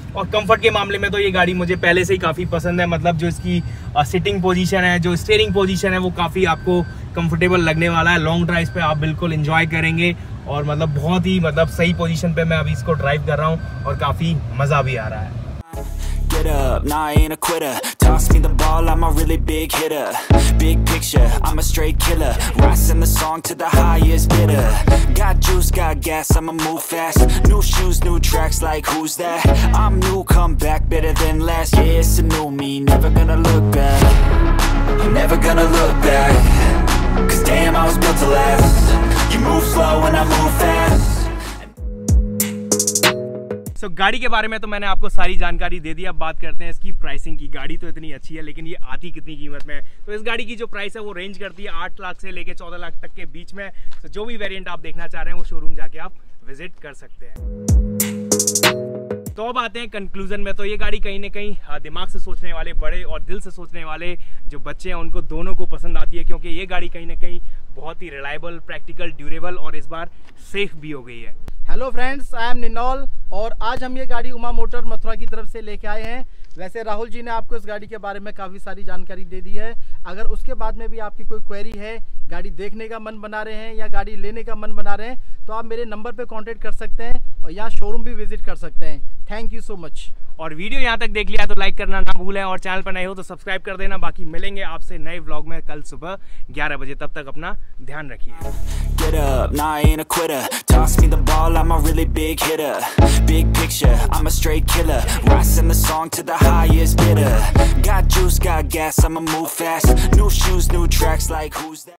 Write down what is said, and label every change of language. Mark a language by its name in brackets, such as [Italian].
[Hindi] और कंफर्ट के मामले में तो ये गाड़ी मुझे पहले से ही काफ़ी पसंद है, मतलब जो इसकी सिटिंग पोजीशन है, जो स्टीयरिंग पोजीशन है, वो काफ़ी आपको कंफर्टेबल लगने वाला है। लॉन्ग ड्राइव पे आप बिल्कुल इंजॉय करेंगे, और मतलब बहुत ही मतलब सही पोजीशन पे मैं अभी इसको ड्राइव कर रहा हूँ और काफ़ी मज़ा भी आ रहा है। [English] Get up, nah, I ain't a quitter. Toss me the ball, I'm a really big hitter. Big picture, I'm a straight killer. Rising the song to the highest bidder. Got juice, got gas, I'ma move fast. New shoes, new tracks, like who's that? I'm new, come back, better than last. Yeah, it's a new me, never gonna look back. I'm never gonna look back. Cause damn, I was built to last. You move slow and I move fast. [Hindi] तो गाड़ी के बारे में तो मैंने आपको सारी जानकारी दे दी, अब बात करते हैं इसकी प्राइसिंग की। गाड़ी तो इतनी अच्छी है लेकिन ये आती कितनी कीमत में है? तो इस गाड़ी की जो प्राइस है वो रेंज करती है 8 लाख से लेके 14 लाख तक के बीच में। तो जो भी वेरिएंट आप देखना चाह रहे हैं वो शोरूम जाके आप विजिट कर सकते हैं। तो अब आते हैं कंक्लूजन में। तो ये गाड़ी कहीं ना कहीं दिमाग से सोचने वाले बड़े और दिल से सोचने वाले जो बच्चे हैं उनको दोनों को पसंद आती है, क्योंकि ये गाड़ी कहीं ना कहीं बहुत ही रिलायबल, प्रैक्टिकल, ड्यूरेबल और इस बार सेफ भी हो गई है। [English] hello friends, I am [Hindi] निनोल और आज हम ये गाड़ी उमा मोटर मथुरा की तरफ से लेके आए हैं। वैसे राहुल जी ने आपको इस गाड़ी के बारे में काफ़ी सारी जानकारी दे दी है, अगर उसके बाद में भी आपकी कोई क्वेरी है, गाड़ी देखने का मन बना रहे हैं या गाड़ी लेने का मन बना रहे हैं, तो आप मेरे नंबर पर कॉन्टेक्ट कर सकते हैं और यहाँ शोरूम भी विजिट कर सकते हैं। [English] Thank you so much. [Hindi] और वीडियो यहाँ तक देख लिया तो लाइक करना ना भूलें, और चैनल पर नए हो तो सब्सक्राइब कर देना। बाकी मिलेंगे आपसे नए व्लॉग में कल सुबह 11 बजे, तब तक अपना ध्यान रखिए। [English] Get up, nah, I ain't a quitter. Toss me the ball, I'm a really big hitter. Big picture, I'm a straight killer. Rising the song to the highest bidder. Got juice, got gas, I'ma move fast. New shoes, new tracks, like who's that?